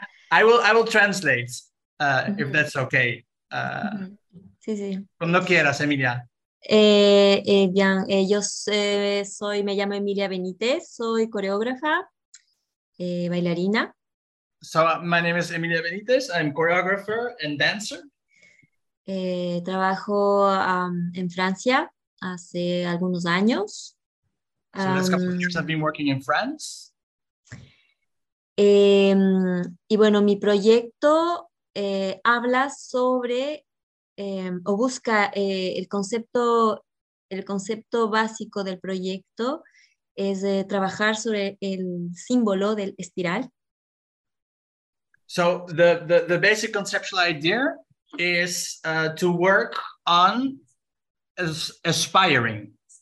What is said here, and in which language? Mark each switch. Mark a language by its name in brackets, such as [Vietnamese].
[English] I will translate mm-hmm. if that's okay. [Spanish] Sí, sí. Cuando quieras, Emilia. Bien, yo soy, me llamo Emilia Benítez, soy coreógrafa, bailarina. [English] So, my name is Emilia Benítez, I'm choreographer and dancer. [Spanish] Trabajo en Francia hace algunos años. [English] So, the last couple of years I've been working in France. [Spanish] Y bueno, mi proyecto habla sobre... o busca el concepto básico del proyecto es de trabajar sobre el símbolo del espiral. [English] So the basic conceptual idea is to work on spiraling.